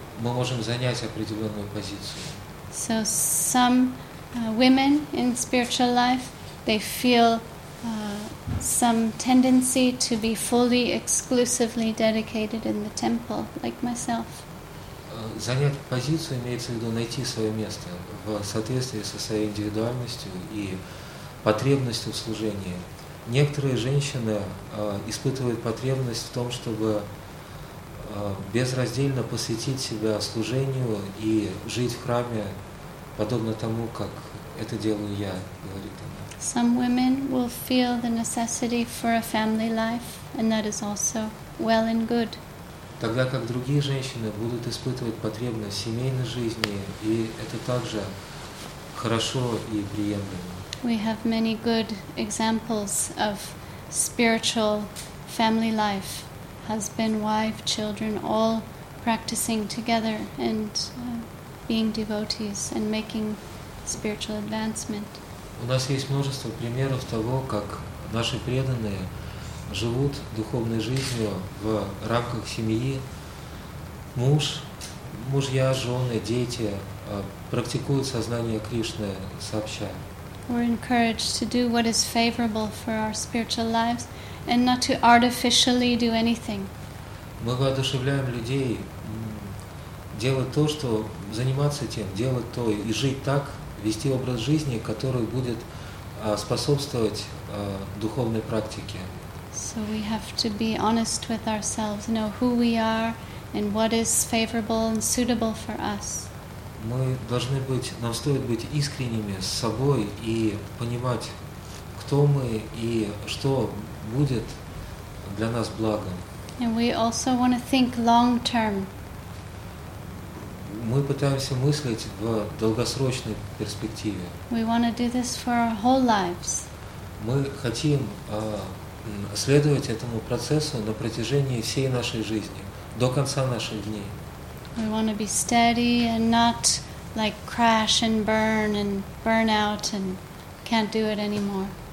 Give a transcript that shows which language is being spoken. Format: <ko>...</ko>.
<ru>Мы можем занять определенную позицию.</ru> <en>So some women in spiritual life, they feel some tendency to be fully, exclusively dedicated in the temple, like myself.</en> <ru>Занять позицию имеется в виду найти свое место в соответствии со своей индивидуальностью и потребностью в служении. Некоторые женщины испытывают потребность в том, чтобы безраздельно посвятить себя служению и жить в храме, подобно тому, как это делаю я, говорит она.</ru> <en>Some women will feel the necessity for a family life, and that is also well and good.</en> <ru>Тогда как другие женщины будут испытывать потребность в семейной жизни, и это также хорошо и приемлемо.</ru> <en>We have many good examples of spiritual family life. Husband, wife, children, all practicing together and being devotees and making spiritual advancement.</en> <ru>У нас есть множество примеров того, как наши преданные живут духовной жизнью в рамках семьи. Муж, мужья, жены, дети практикуют сознание Кришны сообща.</ru> <en>We're encouraged to do what is favorable for our spiritual lives and not to artificially do anything.</en> <ru>Мы воодушевляем людей делать то, что заниматься тем, делать то и жить так, вести образ жизни, который будет способствовать духовной практике.</ru> <en>So we have to be honest with ourselves, know who we are and what is favorable and suitable for us.</en> <ru>Мы должны быть, нам стоит быть искренними с собой и понимать, кто мы и что будет для нас благом.</ru> <en>And we also want to think long term.</en> <ru>Мы пытаемся мыслить в долгосрочной перспективе.</ru> <en>We want to do this for our whole lives.</en> <ru>Мы хотим следовать этому процессу на протяжении всей нашей жизни, до конца наших дней.</ru> <en>We want to be steady and not like crash and burn out and can't do it anymore.</en>